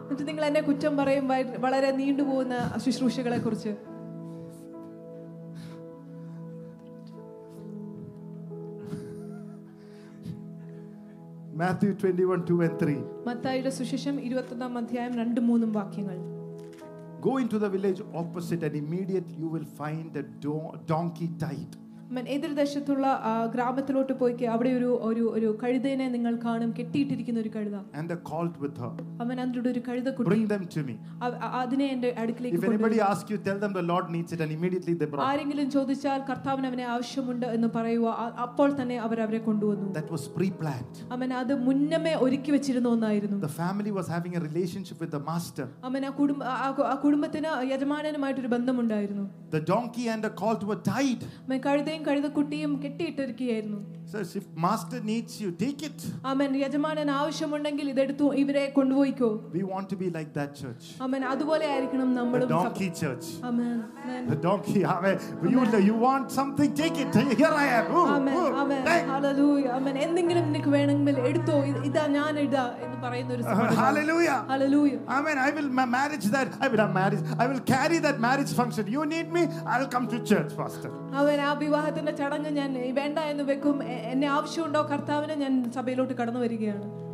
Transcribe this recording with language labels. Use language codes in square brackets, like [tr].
[ml] നിങ്ങൾ എന്നെ കുറ്റം പറയും വളരെ നീണ്ടുപോകുന്ന ശുശ്രൂഷകളെ കുറിച്ച്. [en] Matthew 21:2-3 [ml] മത്തായിയുടെ സുവിശേഷം 21 അധ്യായം 2-3 വാക്യങ്ങൾ. [en] Go into the village opposite and immediately you will find a donkey tied. [ml] മൻ എതിർ ദേശത്തുള്ള ഗ്രാമത്തിലോട്ട് പോയി അവിടെ ഒരു ഒരു ഒരു കഴുതയെ നിങ്ങൾ കാണും കെട്ടിയിട്ടിരിക്കുന്ന ഒരു കഴുത. [en] And the colt with her. [ml] അവൻ അതിന്റെ ഒരു കഴുത കുട്ടി. [en] Bring them to me. [ml] അതിനെ എൻ്റെ അടുക്കലേക്ക് കൊണ്ടു. [en] If anybody asks you tell them the Lord needs it and immediately they brought. [ml] ആരെങ്കിലും ചോദിച്ചാൽ കർത്താവിന് അവനെ ആവശ്യമുണ്ട് എന്ന് പറയുക അപ്പോൾ തന്നെ അവർ അവരെ കൊണ്ടുവന്നു. [en] That was pre-planned. [ml] അവൻ അത് മുന്നമേ ഒരുക്കി വെച്ചിരുന്ന ഒന്നായിരുന്നു. [en] The family was having a relationship with the master. [ml] അവൻ ആ കുടുംബത്തിന് യജമാനനുമായിട്ട് ഒരു ബന്ധമുണ്ടായിരുന്നു. [en] The donkey and the colt were tied. [ml] കഴുതയും കഴുതക്കുട്ടിയും കെട്ടിയിട്ടിരിക്കുകയായിരുന്നു. [en] Says if master needs you take it. Amen. [ml] യജമാനൻ ആവശ്യമുണ്ടെങ്കിൽ ഇതെടുത്തു ഇവരെ കൊണ്ടുപോയിക്കോ. [en] We want to be like that church. [ml] Amen. അതുപോലെ ആയിരിക്കണം നമ്മളും. [en] The donkey church. Amen. The donkey. Amen. You want something take it. Here I am. Amen. Amen. Hallelujah. Amen. [ml] എന്തെങ്കിലും നിനക്ക് വേണമെങ്കിൽ എടുത്തോ ഇതാ ഞാൻ ഇടാ എന്ന് പറയുന്ന ഒരു സംഭവം. Hallelujah. [en] Hallelujah. Amen. I will carry that marriage function. You need me I'll come to church pastor. [ml] അവനെ ആ വിവാഹത്തിന്റെ ചടങ്ങ് ഞാൻ വേണ്ട എന്ന് വെക്കും. എന്നെ ആവശ്യമുണ്ടോ കർത്താവിനെ ഞാൻ സഭയിലോട്ട് കടന്നു വരികയാണ്.